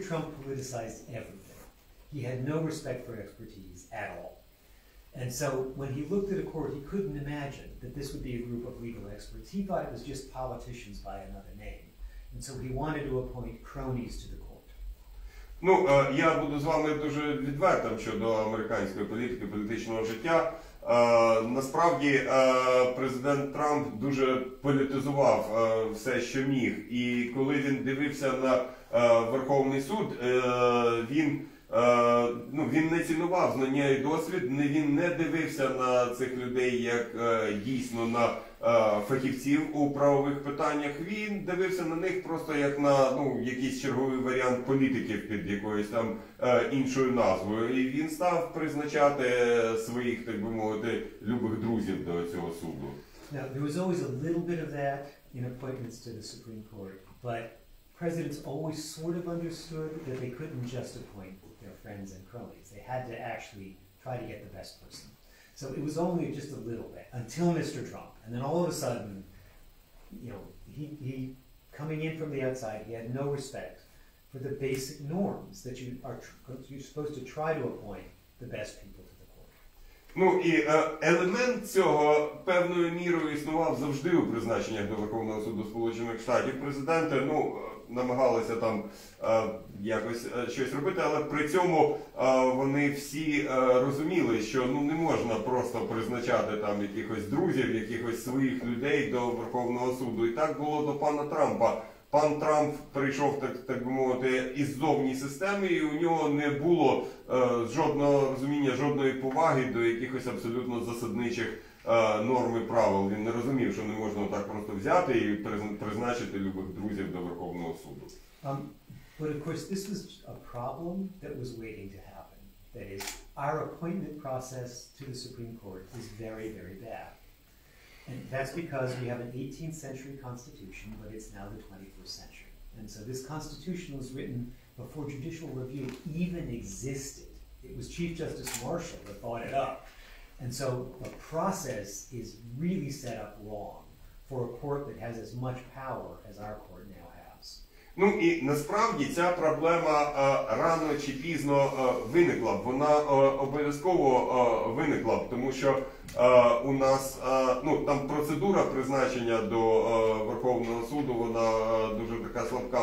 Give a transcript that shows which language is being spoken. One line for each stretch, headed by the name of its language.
English: Trump politicized everything. He had no respect for expertise at all. And so when he looked at a court, he couldn't imagine that this would be a group of legal experts. He thought it was just politicians by another name. And so he wanted to appoint cronies to the court.
Ukrainian: Ну, я буду з вами дуже відвертим щодо американської політики, політичного життя. Насправді, президент Трамп дуже політизував все, що міг. І коли він дивився на Верховний суд, він... ну, він не цінував знання і досвід, він не дивився на цих людей як дійсно на фахівців у правових питаннях. Він дивився на них просто як на, ну, якийсь черговий варіант політиків під якоюсь там іншою назвою. І він став призначати своїх, так би мовити, любих друзів до цього суду.
English: Now, there was always a little bit of that in appointments to the Supreme Court, but presidents always sort of understood that they couldn't just appoint friends and cronies. They had to actually try to get the best person. So it was only just a little bit until Mr. Trump. And then all of a sudden, you know, he coming in from the outside, he had no respect for the basic norms that you're supposed to try to appoint the best people to the court.
Ukrainian: Ну, і елемент цього певною мірою існував завжди у призначеннях до Верховного суду Сполучених Штатів. Президенти, ну, намагалися там якось щось робити, але при цьому вони всі розуміли, що, ну, не можна просто призначати там якихось друзів, якихось своїх людей до Верховного суду. І так було до пана Трампа. Пан Трамп прийшов, так би мовити, із зовні системи, і у нього не було жодного розуміння, жодної поваги до якихось абсолютно засадничих норми правил. Він не розумів, що не можна так просто взяти і призначити любих друзів до Верховного суду.
English: But of course, this was a problem that was waiting to happen. That is, our appointment process to the Supreme Court is very, very bad. And that's because we have an 18th century constitution, but it's now the 21st century. And so this constitution was written before judicial review even existed. It was Chief Justice Marshall that thought it up. And so the process is really set up wrong for a court that has as much power as our court now has.
Ukrainian: Ну, і насправді ця проблема рано чи пізно виникла б. Вона обов'язково виникла б, тому що у нас, ну, там процедура призначення до Верховного суду, вона дуже така слабка.